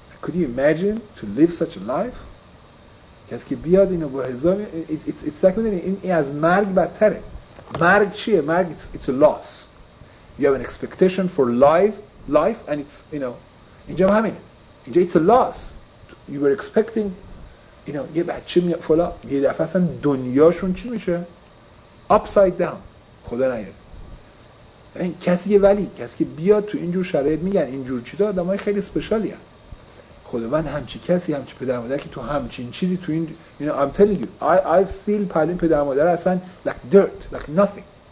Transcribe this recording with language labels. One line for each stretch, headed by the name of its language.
English: Could you imagine to live such a life؟
Persian: کسی که بیاد اینو با هزار
English: it's like
Persian: میدونی این از مرگ بدتره. مرگ چیه؟ مرگ
English: it's a loss. You have an expectation for life, and it's, you know,
Persian: اینجا هم همینه. اینجا
English: it's a loss. You were expecting, you know,
Persian: یه بچه میاد فلا. یه دفعه اصلا دنیاشون چی میشه؟
English: upside down.
Persian: خدا نگه. این کسی یه ولی، کسی که بیاد تو اینجور شرایط میگن اینجور چیزا آدمای خیلی اسپشیالی هستن. خود من همچی کسی، همچی پدر مادر که تو همچین چیزی تو این،
English: you know, I'm telling you, I feel
Persian: پلین پدر مادر اصلا
English: like dirt, like nothing.